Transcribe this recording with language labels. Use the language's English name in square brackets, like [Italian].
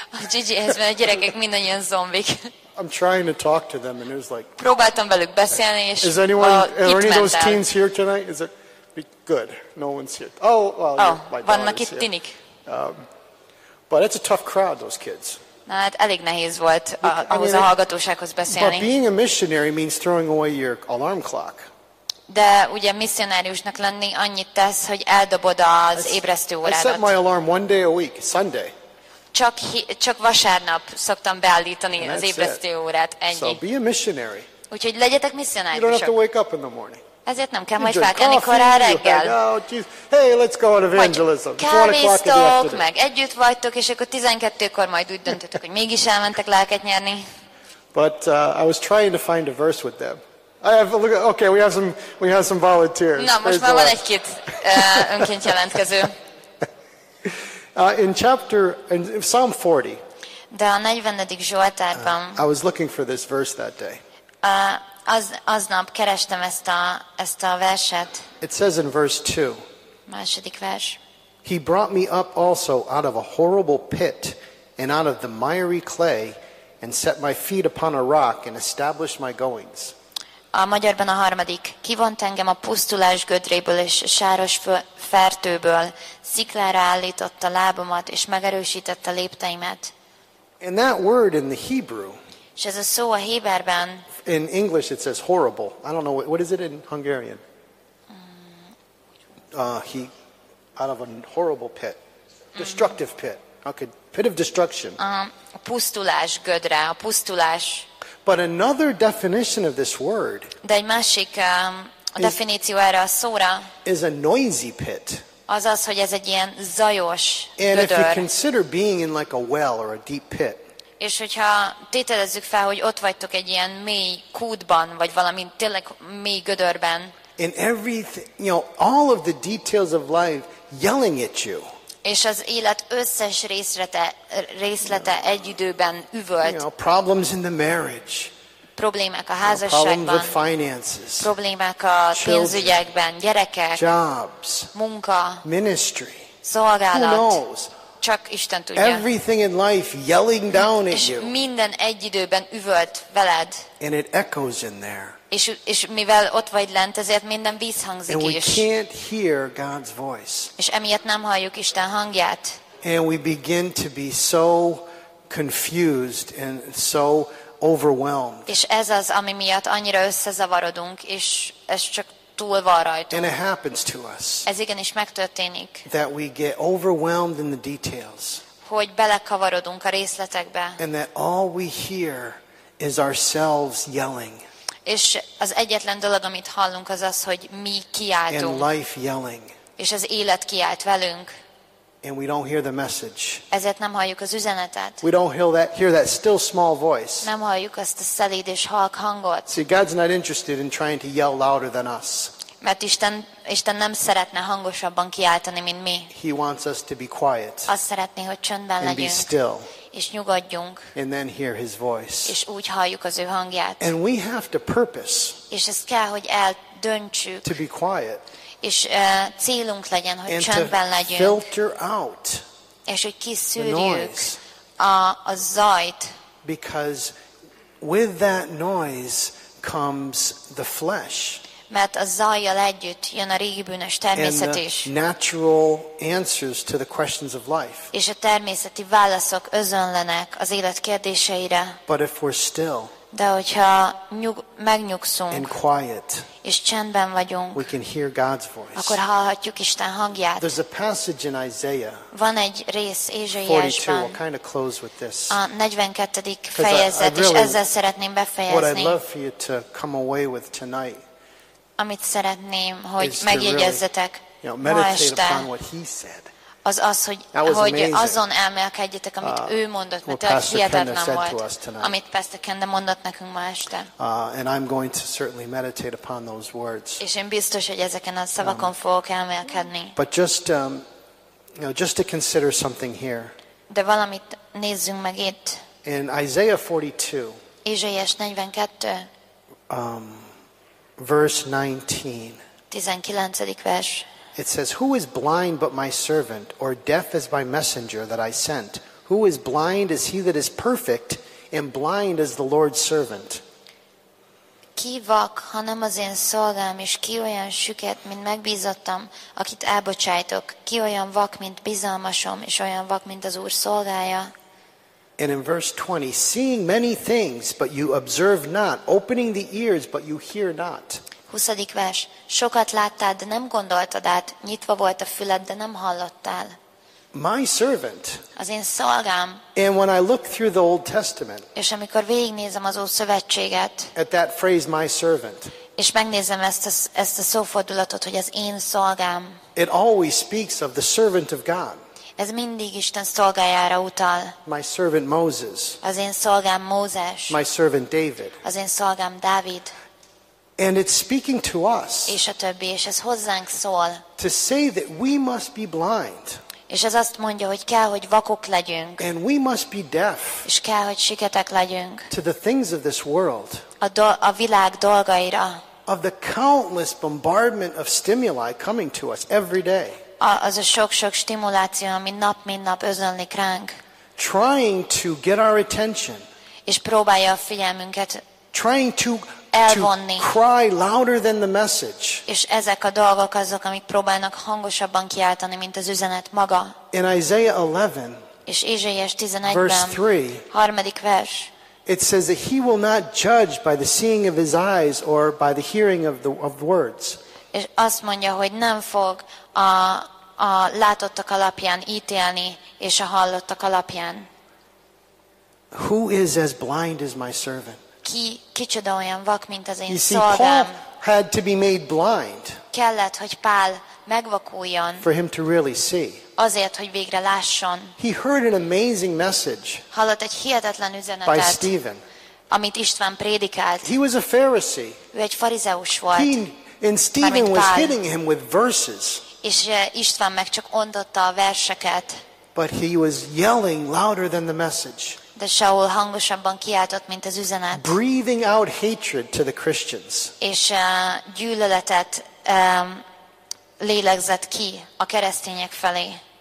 [Hungarian] Gigi, ez már a gyerekek mindannyian zombik. [English] I'm trying to talk to them and it was like. [Hungarian] Próbáltam velük beszélni és. [English] Is anyone? Are any of those teens here tonight? Is it good? No one's here. Oh, well, my [Hungarian] vannak itt tinik. [English] But it's a tough crowd, those kids. [Hungarian] Na, hát elég nehéz volt ahhoz a hallgatósághoz beszélni. [English] But being a missionary means throwing away your alarm clock. [Hungarian] De ugye misszionáriusnak lenni annyit tesz, hogy eldobod az ébresztő órádat. [English] I set my alarm one day a week, Sunday. [Hungarian] Csak vasárnap szoktam beállítani az ébresztő órát, ennyi. [English] So be a missionary. [Hungarian] Úgyhogy legyetek misszionáriusok. [English] You don't have to wake up in the morning. [Hungarian] Ezért nem kell majd felkelni korán reggel. [English] Hey, let's go on evangelism. [Hungarian] Kávéztok, meg együtt vagytok, és akkor 12-kor majd úgy döntöttek, hogy mégis elmentek lelket nyerni. [English] But I was trying to find a verse with them. Okay, we have some volunteers. [Hungarian] Na, most már van egy-két önként jelentkező. [English] In Psalm 40. [Hungarian] De a 40. Zsoltárban. [English] I was looking for this verse that day. [Hungarian] Aznap kerestem ezt a verset. [English] It says in verse 2. [Hungarian] Második vers. [English] He brought me up also out of a horrible pit and out of the miry clay and set my feet upon a rock and established my goings. [Hungarian] A magyarban a harmadik. Kivont engem a pusztulás gödréből és a sáros fertőből, sziklára állította lábamat és megerősítette lépteimet. [English] And that word in the Hebrew. [Hungarian] És ez a szó a héberben. [English] In English it says horrible. I don't know what is it in Hungarian. He out of a horrible pit. Destructive pit. Okay, pit of destruction. [Hungarian] A pusztulás gödre, a pusztulás. [English] But another definition of this word. [Hungarian] De egy másik definíció erre a szóra. [English] Is a noisy pit. [Hungarian] Azaz, hogy ez egy ilyen zajos gödör. [English] And if you consider being in like a well or a deep pit. [Hungarian] És hogyha tételezzük fel, hogy ott vagytok egy ilyen mély kútban, vagy valami tényleg mély gödörben. [English] And everything, you know, all of the details of life yelling at you. [Hungarian] És az élet összes részlete egy időben üvölt. [English] You know, problems in the marriage. [Hungarian] Problémák a házasságban, problémák a pénzügyekben, gyerekek, [English] jobs, [Hungarian] munka, [English] ministry, [Hungarian] szolgálat, [English] who knows? [Hungarian] Csak Isten tudja. [English] Everything in life yelling down at you. [Hungarian] És minden egy időben üvölt veled. [English] And it echoes in there. [Hungarian] És mivel ott vagy lent, ezért minden visszhangzik [English] and is. We can't hear God's voice. [Hungarian] És emiatt nem halljuk Isten hangját. [English] And we begin to be so confused and so overwhelmed. [Hungarian] És ez az, ami miatt annyira összezavarodunk, és ez csak túl van rajtunk. [English] And it happens to us. [Hungarian] Ez igenis megtörténik. [English] That we get overwhelmed in the details. [Hungarian] Hogy belekavarodunk a részletekbe. [English] And that all we hear is ourselves yelling. [Hungarian] És az egyetlen dolog, amit hallunk, az az, hogy mi kiáltunk. [English] And life yelling. [Hungarian] És az élet kiált velünk. [English] And we don't hear the message. [Hungarian] Ezért nem halljuk az üzenetet. [English] We don't hear that still small voice. [Hungarian] Nem halljuk azt a szelíd és halk hangot. [English] See, God's not interested in trying to yell louder than us. [Hungarian] Mert Isten nem szeretne hangosabban kiáltani, mint mi. [English] He wants us to be quiet. [Hungarian] Azt szeretné, hogy csöndben [English] and [Hungarian] legyünk. [English] Be still. [Hungarian] És nyugodjunk. [English] And then hear his voice. [Hungarian] És úgy halljuk az ő hangját. [English] And we have to purpose. [Hungarian] És ezt kell, hogy eldöntsük. [English] To be quiet. [Hungarian] És célunk legyen, hogy csendben legyünk. [English] Filter out. [Hungarian] És hogy kiszűrjük a zajt. [English] Because with that noise comes the flesh. [Hungarian] Mert a zajjal együtt jön a régi bűnös természet is. [English] And the natural answers to the questions of life. [Hungarian] És a természeti válaszok özönlenek az élet kérdéseire. [English] But if we're still. [Hungarian] De hogyha megnyugszunk, [English] and quiet, [Hungarian] és csendben vagyunk, [English] we can hear God's voice. [Hungarian] Akkor hallhatjuk Isten hangját. [English] There's a passage in Isaiah. [Hungarian] Van egy rész Ézsaiásban. [English] 42. We'll kind of close with this. [Hungarian] A 42. fejezet, [English] really, [Hungarian] és ezzel szeretném befejezni. [English] What I'd love for you to come away with tonight. [Hungarian] Amit szeretném, hogy megjegyezzetek [English] really, you know, meditate upon what he said. [Hungarian] Az az, hogy azon elmélkedjetek, amit ő mondott, mert ez hihetetlen volt, amit Pastor Kenda mondott nekünk ma este. [English] And I'm going to certainly meditate upon those words. [Hungarian] És én biztos, hogy ezeken a szavakon fogok elmélkedni. [English] But just, you know, just to consider something here. [Hungarian] De valamit nézzünk meg itt. [English] In Isaiah 42. [Hungarian] Ézsaiás 42. [English] Verse 19. [Hungarian] 19. vers. [English] It says, who is blind but my servant, or deaf as my messenger that I sent? Who is blind as he that is perfect, and blind as the Lord's servant? [Hungarian] Ki vak, hanem az én szolgám, és ki olyan süket, mint megbízottam, akit elbocsájtok? Ki olyan vak, mint bizalmasom, és olyan vak, mint az Úr szolgája? [English] And in verse 20, seeing many things, but you observe not, opening the ears, but you hear not. [Hungarian] 20. vers. Sokat láttál, de nem gondoltad át, nyitva volt a füled, de nem hallottál. [English] My servant. [Hungarian] Az én szolgám. [English] And when I look through the Old Testament. [Hungarian] És amikor végignézem az Ószövetséget. [English] At that phrase, my servant. [Hungarian] És megnézem ezt a szófordulatot, hogy az én szolgám. [English] It always speaks of the servant of God. [Hungarian] Ez mindig Isten szolgájára utal. [English] My servant Moses. [Hungarian] Az én szolgám Mózes. [English] My servant David. [Hungarian] Az én szolgám Dávid. [English] And it's speaking to us. [Hungarian] És a többi, és ez hozzánk szól. [English] To say that we must be blind. [Hungarian] És ez azt mondja, hogy kell, hogy vakok legyünk. [English] And we must be deaf. [Hungarian] És kell, hogy siketek legyünk. [English] To the things of this world. [Hungarian] A világ dolgaira. [English] Of the countless bombardment of stimuli coming to us every day. [Hungarian] Az a sok-sok stimuláció, ami nap mint nap özönlik ránk. [English] Trying to get our attention. [Hungarian] És próbálja a figyelmünket. [English] Trying to [Hungarian] elvonni. [English] To cry louder than the message. [Hungarian] És ezek a dolgok azok, amik próbálnak hangosabban kiáltani, mint az üzenet maga. [English] In Isaiah 11. [Hungarian] És Ézsaiás 11. [English] Verse 3. [Hungarian] 3. vers. [English] It says that he will not judge by the seeing of his eyes or by the hearing of the words. [Hungarian] És azt mondja, hogy nem fog a látottak alapján ítélni és a hallottak alapján. [English] Who is as blind as my servant? [Hungarian] Kicsoda olyan vak, mint az én szolgám. [English] Paul had to be made blind. [Hungarian] Kellett, hogy Pál megvakuljon. [English] For him to really see. [Hungarian] Azért, hogy végre lásson. [English] He heard an amazing message. [Hungarian] Hallott egy hihetetlen üzenetet. [English] By Stephen. [Hungarian] Amit István prédikált. [English] He was a Pharisee. [Hungarian] Ő egy farizeus volt. [English] And Stephen was hitting him with verses. [Hungarian] és István meg csak ondotta a verseket. [English] But he was yelling louder than the message. [Hungarian] De Saul hangosabban kiáltott, mint az üzenet. [English] Breathing out hatred to the Christians. [Hungarian] És gyűlöletet lélegzett ki a keresztények felé.